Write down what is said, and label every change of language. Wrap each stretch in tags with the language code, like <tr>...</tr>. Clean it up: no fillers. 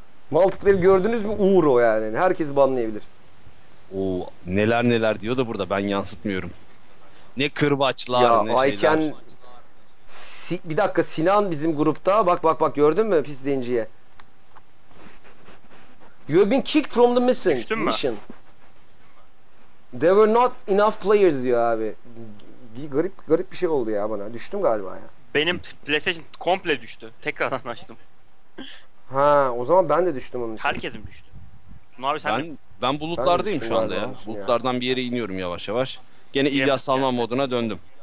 <tr>Maltıkları gördünüz mü Uğur o yani. Herkesi banlayabilir. Oo neler neler diyor da burada ben yansıtmıyorum. Ne kırbaçlar ya, ne Ayken... şeyler. Bir dakika Sinan bizim grupta. Bak bak bak gördün mü pis zenciye.</tr> <en>You have been kicked from the mission.</en> <tr>Düştün mü?</tr> <en>There were not enough players</en> <tr>diyor abi. Garip garip bir şey oldu ya bana. Düştüm galiba ya. Benim PlayStation komple düştü. Tekrardan açtım. Ha o zaman ben de düştüm onun için. Herkes mi düştü? Abi sen ben bulutlardayım ben şu anda ya. Bulutlardan ya. Bir yere iniyorum yavaş yavaş. Gene İlyas Salman yani. Moduna döndüm.</tr>